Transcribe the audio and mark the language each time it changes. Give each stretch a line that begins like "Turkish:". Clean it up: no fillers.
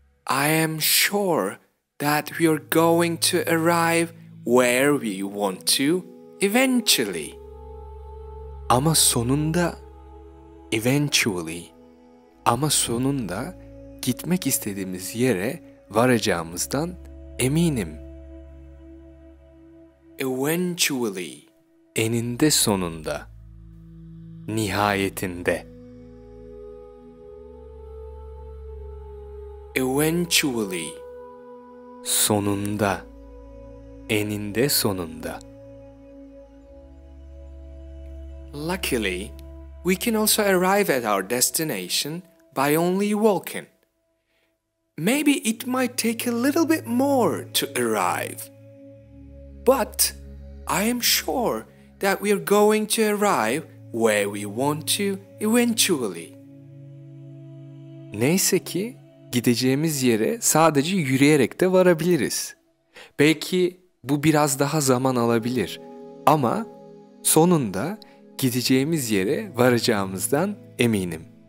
English: I am sure that we are going to arrive where we want to eventually.
Turkish: Ama sonunda, eventually, ama sonunda gitmek istediğimiz yere varacağımızdan eminim.
English: Eventually.
Turkish: Eninde sonunda, nihayetinde.
English: Eventually.
Turkish: Sonunda, eninde sonunda.
English: Luckily, we can also arrive at our destination by only walking. Maybe it might take a little bit more to arrive. But I am sure that we are going to arrive where we want to eventually.
Turkish: Neyse ki gideceğimiz yere sadece yürüyerek de varabiliriz. Belki bu biraz daha zaman alabilir ama sonunda gideceğimiz yere varacağımızdan eminim.